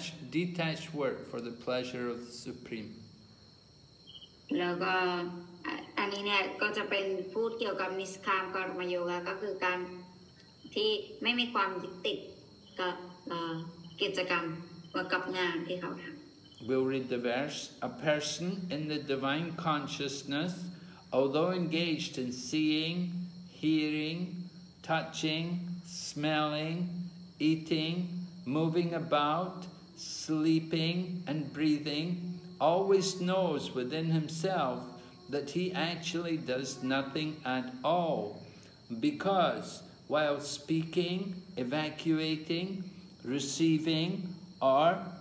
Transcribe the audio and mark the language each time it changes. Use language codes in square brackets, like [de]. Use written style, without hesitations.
[en] Detached work for the pleasure of the Supreme. [th] แล้วก็อันนี้เนี่ยก็จะเป็นพูดเกี่ยวกับนิสคามกรรมโยคะก็คือการที่ไม่มีความยึดติดกับกิจกรรมกับงานที่เขาทำ [en] We'll read the verse A person in the divine consciousness although engaged in seeing hearing touching smelling eating moving about sleeping and breathingalways knows within himself that he actually does nothing at all because while speaking, evacuating, receiving, or